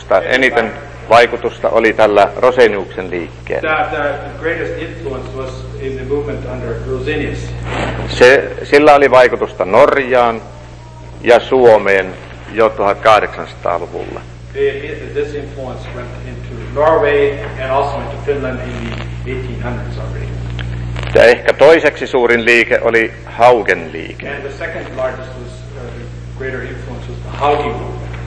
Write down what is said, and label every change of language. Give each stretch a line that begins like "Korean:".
Finnish: Eniten vaikutusta oli tällä Roseniuksen liikkeellä.
English: The greatest influence was in the movement under Rosenius.
Finnish: Sillä oli vaikutusta Norjaan ja Suomeen jo 1800-luvulla.
English: This influence went into Norway and also into Finland in the 1800s already.
Finnish: Ja ehkä toiseksi suurin liike oli Haugen liike.
English: And the second largest was the greater influence was the Haugen movement.